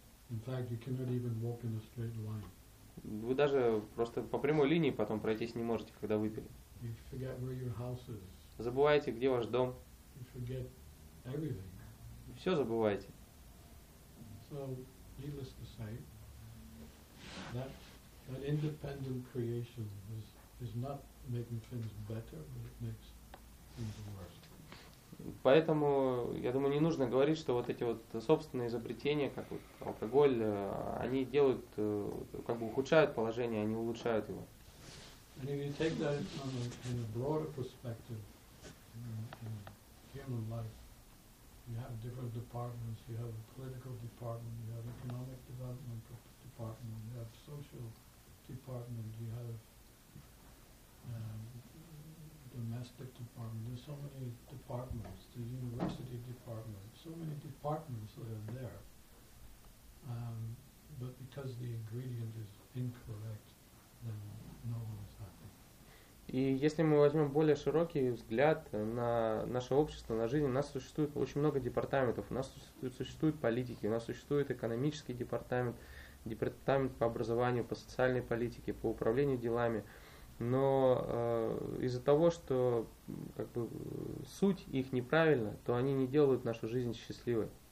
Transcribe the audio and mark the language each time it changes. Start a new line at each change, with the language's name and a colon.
English: In fact, you cannot even walk in a straight line.
Russian: Вы даже просто по прямой линии потом пройтись не можете, когда выпили.
English: You forget where your house is.
Russian: Забываете, где ваш дом.
English: You forget everything.
Russian: Все забывайте.
English: So, needless to say, that independent creation is not making things better, but it makes things worse.
Russian: Поэтому, я думаю, не нужно говорить, что вот эти вот собственные изобретения, как вот алкоголь, они делают, как бы ухудшают положение, они улучшают его.
English: And if you take that in a broader perspective, in human life, you have different departments. You have a political department. You have economic development department. You have social department. You have domestic department. There's so many departments. The university department. So many departments that are there. But because the ingredient is incorrect, then no one is happy.
Russian: И если мы возьмем более широкий взгляд на наше общество, на жизнь, у нас существует очень много департаментов, у нас существуют политики, у нас существует экономический департамент, департамент по образованию, по социальной политике, по управлению делами. Но из-за того, что как бы, суть их неправильна, то они не делают нашу жизнь счастливой.